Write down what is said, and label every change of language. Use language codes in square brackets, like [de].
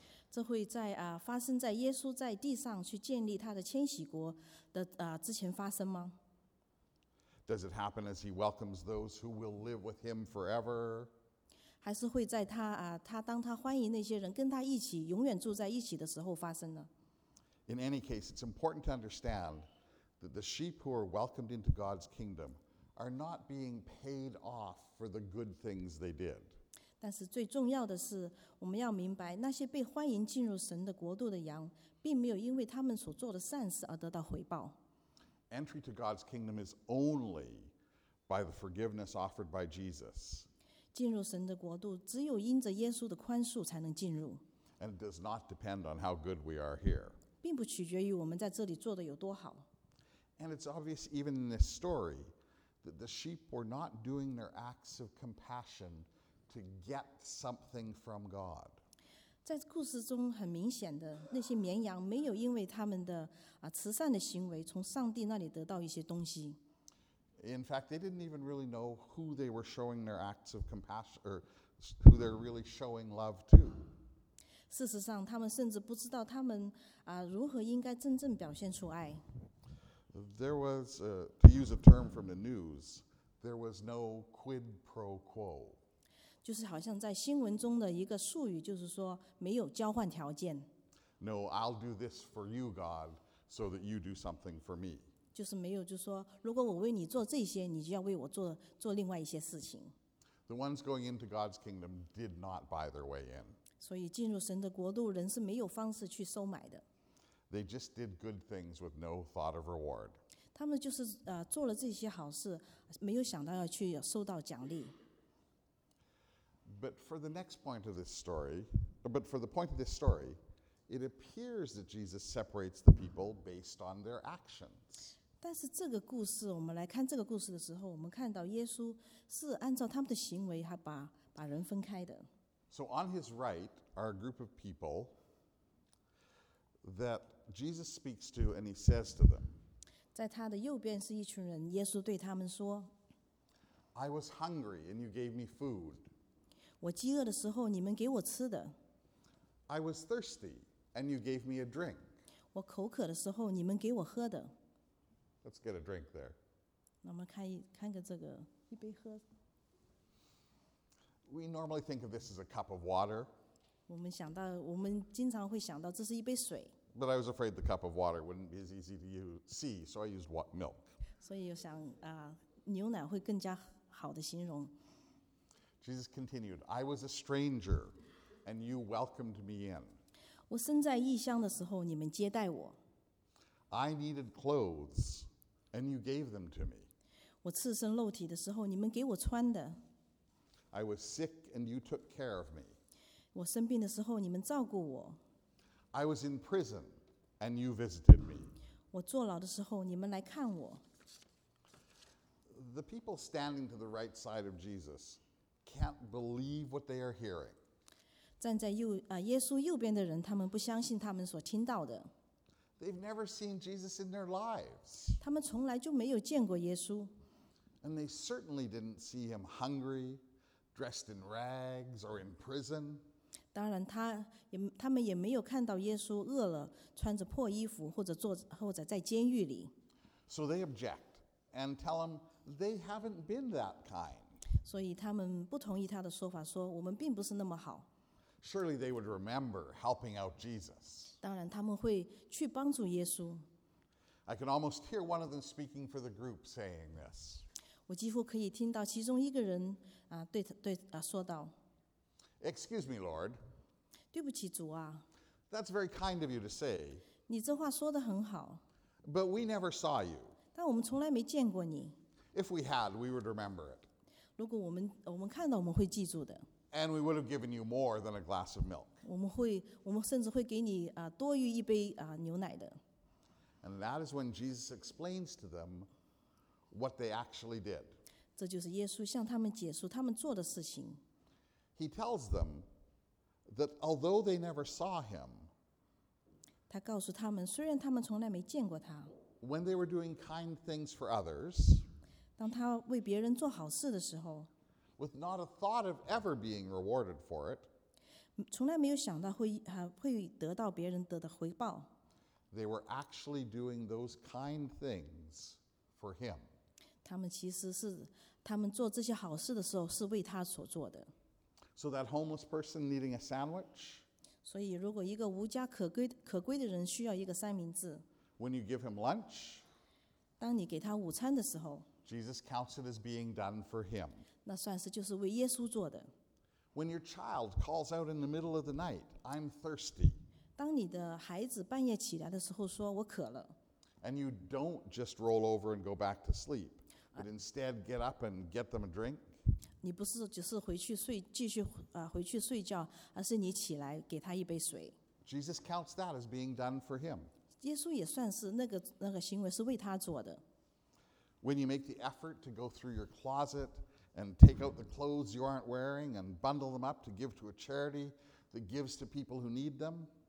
[zh] 这会在发生在耶稣在地上去建立他的千禧国的之前发生吗？ [en] Does it happen as he welcomes those who will live with him forever? [zh] 还是会在他当他欢迎那些人跟他一起永远住在一起的时候发生呢？ [en] In any case, it's important to understand that the sheep who are welcomed into God's kingdom are not being paid off for the good things they did. [zh] 但是最重要的是，我们要明白，那些被欢迎进入神的国度的羊，并没有因为他们所做的善事而得到回报。 [en] Entry to God's kingdom is only by the forgiveness offered by Jesus. [zh] 进入神的国度，只有因着耶稣的宽恕才能进入。 [en] And it does not depend on how good we are here. [zh] 并不取决于我们在这里做的有多好。 [en] And it's obvious even in this story. That the sheep were not doing their acts of compassion to get something from God. [zh] 在故事中很明显的，那些绵羊没有因为他们的慈善的行为从上帝那里得到一些东西。 [en] In fact, they didn't even really know who they were showing their acts of compassion or who they're really showing love to. [zh] 事实上，他们甚至不知道他们如何应该真正表现出爱。 [en] There was, to use a term from the news, there was no quid pro quo. [zh] 就是好像在新闻中的一个术语，就是说没有交换条件。 [en] No, I'll do this for you, God, so that you do something for me. [zh] 就是没有，就是说如果我为你做这些，你就要为我做另外一些事情。 [en] The ones going into God's kingdom did not buy their way in. [zh] 所以进入神的国度，人是没有方式去收买的。 [en] They just did good things with no thought of reward. [zh] 他们就是做了这些好事，没有想到要去收到奖励。 [en] But for the next point of this story, but for the point of this story, it appears that Jesus separates the people based on their actions. [zh] 但是这个故事，我们来看这个故事的时候，我们看到耶稣是按照他们的行为，还把人分开的。 [en] So on his right are a group of people. That Jesus speaks to and he says to them, [zh] 在他的右边是一群人，耶稣对他们说 [en] I was hungry and you gave me food. [zh] 我饥饿的时候你们给我吃的 [en] I was thirsty and you gave me a drink. [zh] 我口渴的时候你们给我喝的 [en] Let's get a drink there. [zh] 那我们看个这个一杯喝 [en] We normally think of this as a cup of water. [zh] 我们经常会想到这是一杯水。 [en] But I was afraid the cup of water wouldn't be as easy to see, so I used milk. [zh] 所以我想牛奶会更加好的形容。 [en] Jesus continued, I was a stranger, and you welcomed me in. [zh] 我身在异乡的时候你们接待我。 [en] I needed clothes, and you gave them to me. [zh] 我赤身露体的时候你们给我穿的。 [en] I was sick, and you took care of me. [zh] 我生病的时候你们照顾我。 [en] I was in prison and you visited me. [zh] 我坐牢的时候你们来看我。 [en] The people standing to the right side of Jesus can't believe what they are hearing. [zh] 站在耶稣右边的人他们不相信他们所听到的。 [en] They've never seen Jesus in their lives. [zh] 他们从来就没有见过耶稣。 [en] And they certainly didn't see him hungry, dressed in rags, or in prison. [zh] 当然他们也没有看到耶稣饿了穿着破衣服或者在监狱里。 [en] So they object and tell him they haven't been that kind. [zh] 所以他们不同意他的说法说我们并不是那么好。 [en] Surely they would remember helping out Jesus. [zh] 当然他们会去帮助耶稣。 [en] I can almost hear one of them speaking for the group saying this. [zh] 我几乎可以听到其中一个人对说道。 [en] Excuse me, Lord. [zh] 对不起，主啊。 [en] That's very kind of you to say. [zh] 你这话说得很好。 [en] But we never saw you. [zh] 但我们从来没见过你。 [en] If we had, we would remember it. [zh] 如果我们看到，我们会记住的。 [en] And we would have given you more than a glass of milk. [zh] 我们甚至会给你多于一杯牛奶的。 [en] And that is when Jesus explains to them what they actually did. [zh] 这就是耶稣向他们解释他们做的事情。 [en] He tells them that although they never saw him, [zh] 他告诉他们，虽然他们从来没见过他。 [en] When they were doing kind things for others, [zh] 当他为别人做好事的时候。 [en] With not a thought of ever being rewarded for it, [zh] 从来没有想到会得到别人的回报。 [en] They were actually doing those kind things for him. [zh] 他们其实是他们做这些好事的时候是为他所做的。 [en] So that homeless person needing a sandwich. [zh] 所以如果一个无家可归的人需要一个三明治。 [en] When you give him lunch. [zh] 当你给他午餐的时候。 [en] Jesus counts it as being done for him. [zh] 那算是就是为耶稣做的。 [en] When your child calls out in the middle of the night, I'm thirsty. [zh] 当你的孩子半夜起来的时候说我渴了。 [en] And you don't just roll over and go back to sleep, but instead get up and get them a drink. [zh] 你不是只是回去睡，继续回去睡觉，而是你起来给他一杯水。 [en] Jesus counts that as being done for him. [zh] 耶稣也算是那个行为是为他做的。 [en] When you make the effort to go through your closet and take out the clothes you aren't wearing and bundle them up to give to a charity that gives to people who need them.